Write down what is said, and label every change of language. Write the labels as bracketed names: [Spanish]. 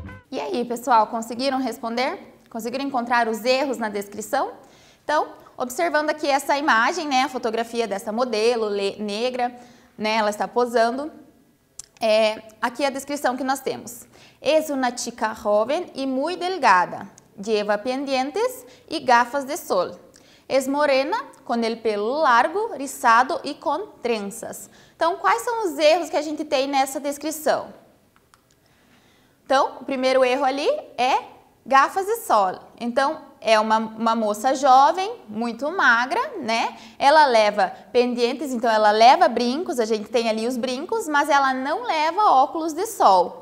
[Portuguese] E aí, pessoal, conseguiram responder? Conseguiram encontrar os erros na descrição? Então, observando aqui essa imagem, né, a fotografia dessa modelo negra, né, ela está posando. É, aqui a descrição que nós temos. [Spanish] Es una chica joven y muy delgada. Lleva pendientes y gafas de sol. Es morena, con el pelo largo, rizado y con trenzas. [Portuguese] Então, quais são os erros que a gente tem nessa descrição? Então, o primeiro erro ali é Gafas de sol. Então, é uma moça jovem, muito magra, né? Ela leva pendentes, então ela leva brincos, a gente tem ali os brincos, mas ela não leva óculos de sol.